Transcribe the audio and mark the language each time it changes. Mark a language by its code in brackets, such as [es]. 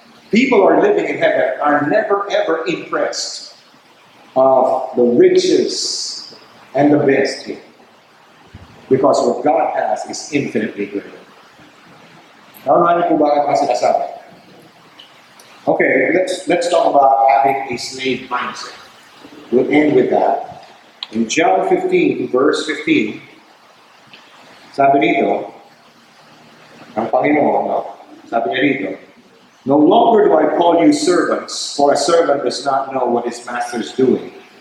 [en] People who are living in heaven are never ever impressed of the riches and the best here. Because what God has is infinitely greater. [tl] Naunahan niyo po ba ang sinasabi? [en] Okay, let's talk about having a slave mindset. We'll end with that. In John 15, verse 15, [tl] sabi dito, ang Panginoon, no? Sabi niya dito, [en] no longer do I call you servants, for a servant does not know what his master is doing.